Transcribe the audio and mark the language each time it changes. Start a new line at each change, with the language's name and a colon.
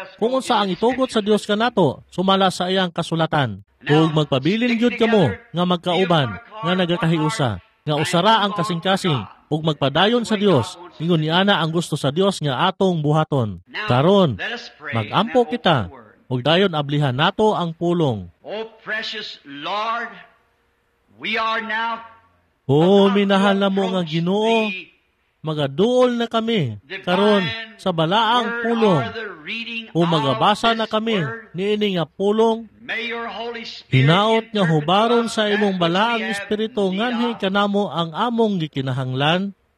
Cebuano: Kung unsa ang itugot sa Dios kanato, sumala sa iyang kasulatan. Kung magpabilin gyud kamo nga magkauban, nga nagakahiusa, nga usara ang kasing-kasing, ug magpadayon sa Dios. Ingon ni ana ang gusto sa Dios nga atong buhaton. Karon, magampo kita. Ug dayon ablihan nato ang pulong.
English: O precious Lord, we are now.
Cebuano: O minahal na mo nga Ginoo, magaduol na kami karon sa balaang pulong. O magabasa na kami niini nga pulong. Hinaot nga hubaron sa imong balaang Espiritu nganhi kanamo ang among gikinahanglan.